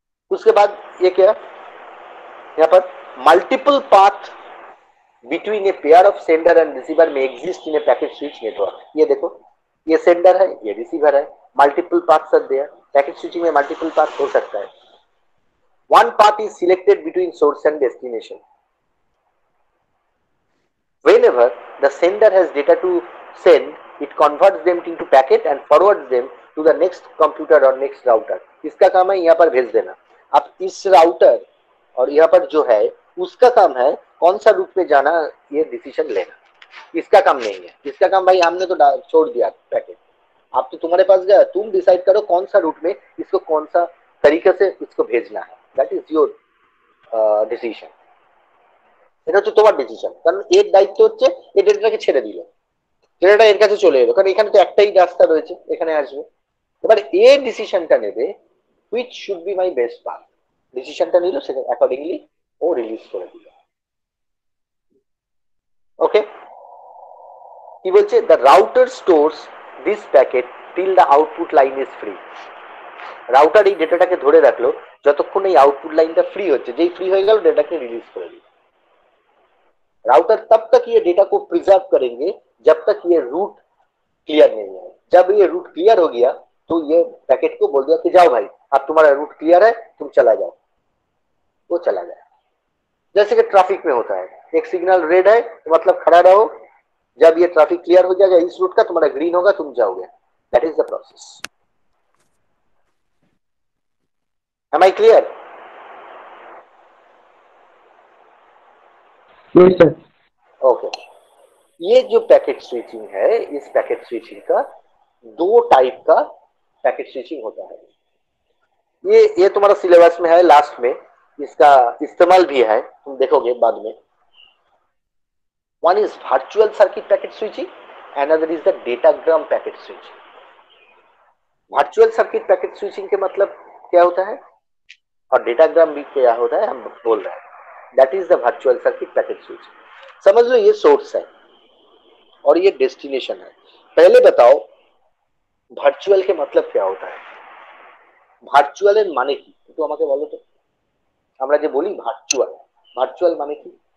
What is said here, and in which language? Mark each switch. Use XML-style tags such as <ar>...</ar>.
<hi>उसके बाद ये क्या है यहाँ पर,</hi> <en>Multiple path between a pair of sender and receiver में exist in a packet switch network.</en> <hi>ये देखो ये सेंडर है, ये रिसीवर है, मल्टीपल पाथ सर दिया. पैकेट स्विचिंग में मल्टीपल पाथ हो सकता है.</hi> <en>One path is selected between source and destination. Whenever the sender has data to send, it converts them into packet and forwards them to the next computer or next router.</en> <hi>इसका काम है यहाँ पर भेज देना. अब इस router और यहाँ पर जो है उसका काम है कौन सा रूट में जाना, ये decision लेना. इसका काम नहीं है, इसका काम भाई हमने तो छोड़ दिया packet. आप तो तुम्हारे पास गया, तुम decide करो कौन सा रूट में इसको कौन सा तरीके से इसको भेजना है.</hi> <en>That is your decision.</en> <bn>তোমার ডিসিশন, কারণ এর দায়িত্ব হচ্ছে এই ডেটাটাকে ছেড়ে দিল, ডেটাটা এর কাছে চলে এলো, কারণ এখানে তো একটাই রাস্তা রয়েছে এখানে আসবে. এবার এর ডিসিশনটা নেবে</bn> <en>which should be my best path,</en> <bn>ডিসিশনটা নিল সেটা অ্যাকর্ডিংলি ও রিলিজ করে দিল. ওকে কি বলছে,</bn> <en>The router stores this packet till the output line is free.</en> <bn>Router এই ডেটাটাকে ধরে রাখলো যতক্ষণ এই আউটপুট লাইনটা ফ্রি হচ্ছে, যেই ফ্রি হয়ে গেল ডেটাকে রিলিজ করে দিল.</bn> <hi>राउटर तब तक ये डेटा को प्रिजर्व करेंगे जब तक ये रूट क्लियर नहीं है. जब ये रूट क्लियर हो गया तो ये पैकेट को बोल दिया कि जाओ भाई अब तुम्हारा रूट क्लियर है, तुम चला जाओ. वो चला जाए, जैसे कि ट्रैफिक में होता है, एक सिग्नल रेड है तो मतलब खड़ा रहो, जब ये ट्रैफिक क्लियर हो जाएगा इस रूट का तुम्हारा ग्रीन होगा तुम जाओगे.</hi> <en>That is the process. Am I clear? Yes, sir. Okay.</en> <hi>ये जो पैकेट स्विचिंग है, इस पैकेट स्विचिंग का 2 टाइप का पैकेट स्विचिंग होता है. ये तुम्हारा सिलेबस में है, लास्ट में इसका इस्तेमाल भी है, तुम देखोगे बाद में. One is virtual circuit packet switching, another is the datagram packet switching. Virtual circuit packet switching के मतलब क्या होता है और डेटाग्राम भी क्या होता है हम बोल रहे हैं.</hi> <en>That is the virtual circuit packet switch.</en> <hi>समझ लो ये source है और ये destination है. पहले बताओ वर्चुअल के मतलब क्या होता है, वर्चुअल एंड माने की तो</hi> <bn>আমাকে বলো তো, আমরা যে বলি ভার্চুয়াল, ভার্চুয়াল মানে কি</bn>